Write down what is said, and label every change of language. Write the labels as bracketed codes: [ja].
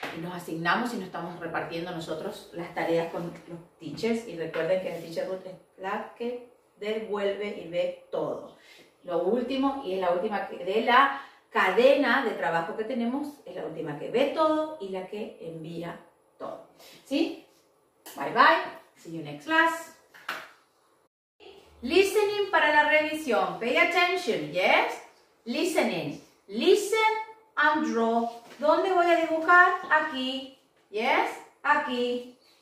[es] Y nos asignamos y nos estamos repartiendo nosotros las tareas con los teachers y recuerden que el teacher Ruth es la que devuelve y ve todo. Lo último y es la última que, de la cadena de trabajo que tenemos, es la última que ve todo y la que envía todo, ¿sí? [en] Bye bye, see you next class. Listening [es] para la revisión, [en] pay attention, yes? [es] Listening, [en] listen and draw. [es] ¿Dónde voy a dibujar? Aquí. Yes? Aquí.